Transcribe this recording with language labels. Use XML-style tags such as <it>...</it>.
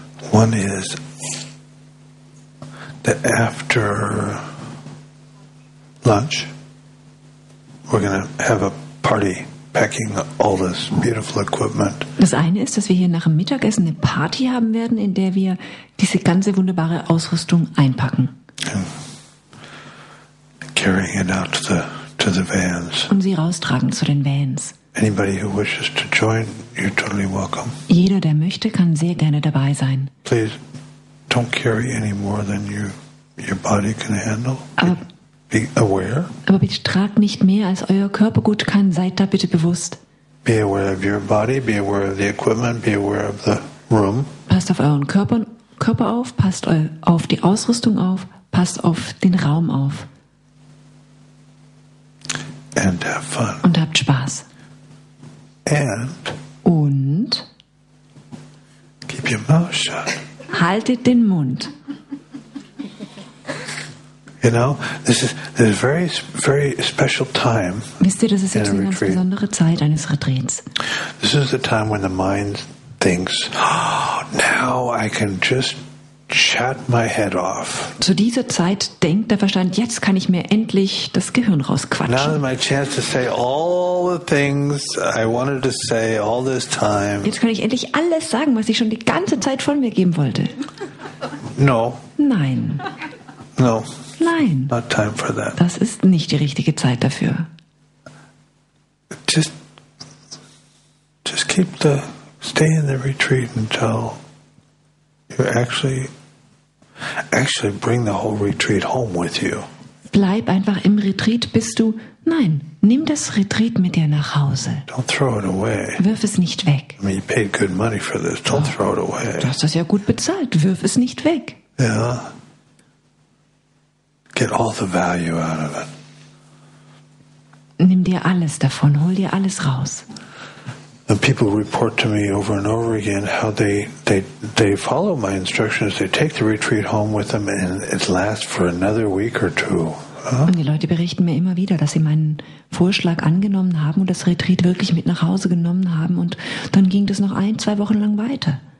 <en>One is that after lunch, we're going to have a party packing all this beautiful equipment.</en> <de>Das eine ist, dass wir hier nach dem Mittagessen eine Party haben werden, in der wir diese ganze wunderbare Ausrüstung einpacken.</de> <en>And carrying it out to the vans.</en> <de>Und sie raustragen zu den Vans.</de> <en>Anybody who wishes to join, you're totally welcome.</en> <de>Jeder, der möchte, kann sehr gerne dabei sein.</de> <en>Please don't carry any more than your body can handle. Be aware.</en> <de>Aber bitte trag nicht mehr, als euer Körper gut kann. Seid da bitte bewusst.</de> <en>Be aware of your body, be aware of the equipment, be aware of the room.</en> <de>Passt auf euren Körper auf, passt auf die Ausrüstung auf, passt auf den Raum auf.</de> <en>And have fun.</en> <de>Und habt Spaß.</de> <en>Und keep your mouth shut.</en> <de>Haltet den Mund.</de> <en>You know, this is a very, very special time.</en> <de>Wisst ihr, das ist jetzt eine ganz besondere Zeit eines Retreats.</de> <en>This is the time when the mind thinks, oh, now I can just shut my head off.</en> <de>Zu dieser Zeit denkt der Verstand, jetzt kann ich mir endlich das Gehirn rausquatschen.</de> <en>Now is my chance to say all the things I wanted to say all this time.</en> <de>Jetzt kann ich endlich alles sagen, was ich schon die ganze Zeit von mir geben wollte.</de> <en>No.</en> <de>Nein.</de> <en>No.</en> <de>Nein.</de> <en>Not time for that.</en> <de>Das ist nicht die richtige Zeit dafür.</de> <en>Just keep the stay in the retreat until you actually bring the whole retreat home with you.</en> <de>Bleib einfach im Retreat, bis du. Nein, nimm das Retreat mit dir nach Hause.</de> <en>Don't throw it away.</en> <de>Wirf es nicht weg.</de> <en>I mean, you paid good money for this. Don't throw it away.</en> <de>Du hast das ja gut bezahlt. Wirf es nicht weg.</de> <en>Yeah. Get all the value out of it.</en> <de>Nimm dir alles davon. Hol dir alles raus.</de> <en>And people report to me over and over again how they follow my instructions. They take the retreat home with them and it lasts for another week or two.</en> <de>Und die Leute berichten mir immer wieder, dass sie meinen Vorschlag angenommen haben und das Retreat wirklich mit nach Hause genommen haben und dann ging das noch ein, zwei Wochen lang weiter.</de>